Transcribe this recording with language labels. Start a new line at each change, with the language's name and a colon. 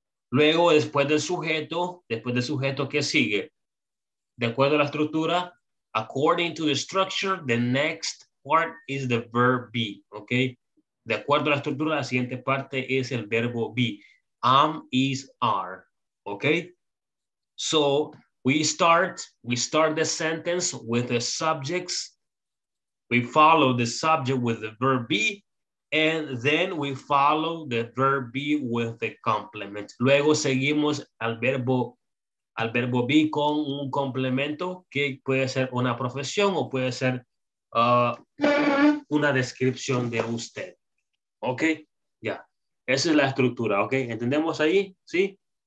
Spanish: Luego, después del sujeto, ¿qué sigue? De acuerdo a la estructura,
English: according to the structure, the next part is the verb be, okay.
Spanish: De acuerdo a la estructura, la siguiente parte es el verbo be. Am, is, are. ¿Ok?
English: So, we start the sentence with the subjects. We follow the subject with the verb be. And then we follow the verb be with the complement.
Spanish: Luego seguimos al verbo be con un complemento que puede ser una profesión o puede ser una descripción de usted. Ok, ya. Yeah. Esa es la estructura, ok. ¿Entendemos ahí? ¿Sí?